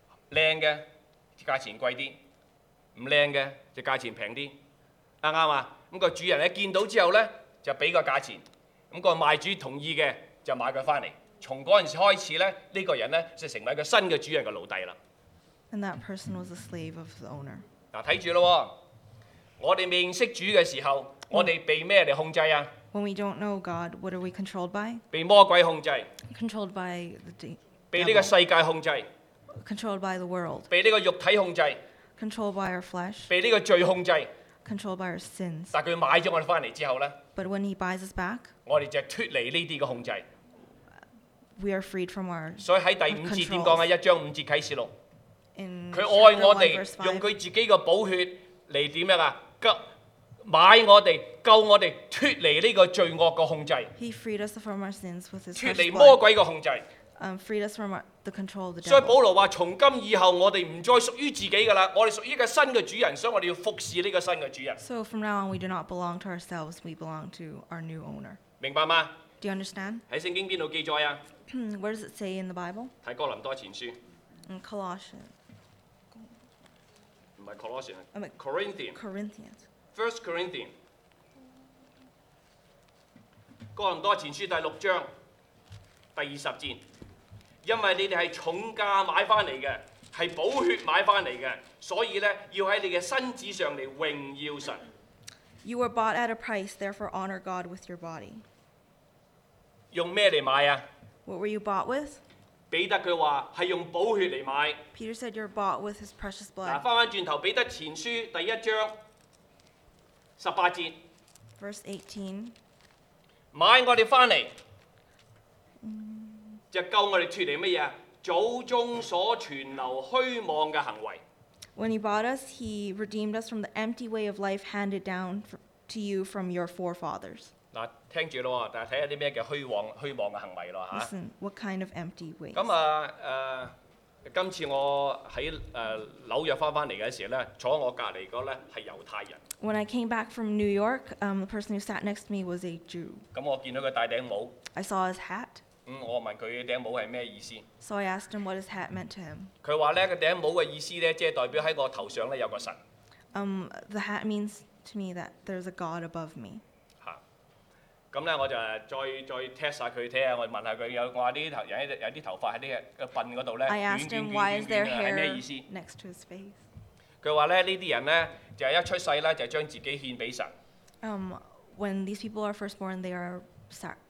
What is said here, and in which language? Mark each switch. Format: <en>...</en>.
<yue>靚嘅價錢貴啲，唔靚嘅就價錢平啲，啱唔啱啊？咁個主人咧見到之後咧，就俾個價錢，咁、那個賣主同意嘅就買佢翻嚟。從嗰陣時開始咧，呢、這個人咧就成為一個新嘅主人嘅奴隸啦。</yue> <en>And that person was a slave of his owner.</en> <yue>嗱，睇住咯，我哋未認識主嘅時候，我哋被咩嚟控制啊？</yue> <en>When we don't know God, what are we controlled by?</en> <yue>被魔鬼控制。</yue> <en>Controlled by the devil.</en> <yue>被呢個世界控制。</yue> <en>Controlled by the world.</en> <yue>被呢個肉體控制。</yue> <en>Controlled by our flesh.</en> <yue>被呢個罪控制。</yue> <en>Controlled by our sins.</en> <yue>但佢買咗我哋翻嚟之後咧。</yue> <en>But when he buys us back.</en> <yue>我哋就脱離呢啲嘅控制。</yue> <en>We are freed from our.</en> <yue>所以喺第五節點講啊？一章五節啟示錄。</yue> <en>In.</en> <yue>佢愛我哋，用佢自己嘅寶血嚟點樣啊？買我哋，救我哋，脱離呢個罪惡嘅控制。</yue> <en>He freed us from our sins with his.</en> <yue>脱離魔鬼嘅控制。</yue> <en>Freed us from the control of the devil.</en> <yue>所以保罗话：从今以后，我哋唔再属于自己噶啦，我哋属于一个新嘅主人，所以我哋要服侍呢个新嘅主人。</yue> <en>So from now on, we do not belong to ourselves; we belong to our new owner.</en> <yue>明白吗</yue> <en>？Do you understand？</en> <yue>喺圣经边度记载啊</yue> <en>？Where does it say in the Bible？</en> <yue>喺哥林多前书。</yue> <en>In Colossians.</en> <yue>唔系 Colossians， 系 Corinthians。</yue> <en>Corinthians。 First Corinthians。</en> <yue>哥林多前书第六章第二十节。因為你哋係重價買翻嚟嘅，係寶血買翻嚟嘅，所以咧要喺你嘅身子上嚟榮耀神。</yue> <en>You were bought at a price, therefore honor God with your body.</en> <yue>用咩嚟買啊</yue> <en>？What were you bought with？</en> <yue>彼得佢話係用寶血嚟買。</yue> <en>Peter said you're bought with his precious blood.</en> <yue>嗱，翻翻轉頭，彼得前書第一章十八節</yue> <en>，verse 18，</en> <yue>買我哋翻嚟。就救我哋脱离乜嘢？祖宗所存留虚妄嘅行为。</yue> <en>When he bought us, he redeemed us from the empty way of life handed down to you from your forefathers.</en> <yue>嗱，听住咯，但系睇下啲咩叫虚妄嘅行为咯吓。</yue> <en>Listen, what kind of empty ways?</en> <yue>咁啊，今次我喺紐約翻翻嚟嘅時咧，坐我隔離嗰咧係猶太人。</yue> <en>When I came back from New York, the person who sat next to me was a Jew.</en> <yue>咁我見到佢戴頂帽。</yue> <en>I saw his hat.</en> <yue>我問佢頂帽係咩意思</yue> <en>？So I asked him what his hat meant to him.</en> <yue>佢話咧個頂帽嘅意思咧，即係代表喺我頭上咧有個神。</yue> <en>The hat means to me that there's a God above me.</en> <yue>嚇，咁咧我就再 test 下佢，睇下我問下佢有，我話啲頭有啲頭髮喺啲個鬢嗰度咧，</yue> <en>I asked him why is there hair next to his face.</en> <yue>佢話咧呢啲人咧就係一出世咧就將自己獻俾神。</yue> <en>When these people are first born, they are sacrificed.</en>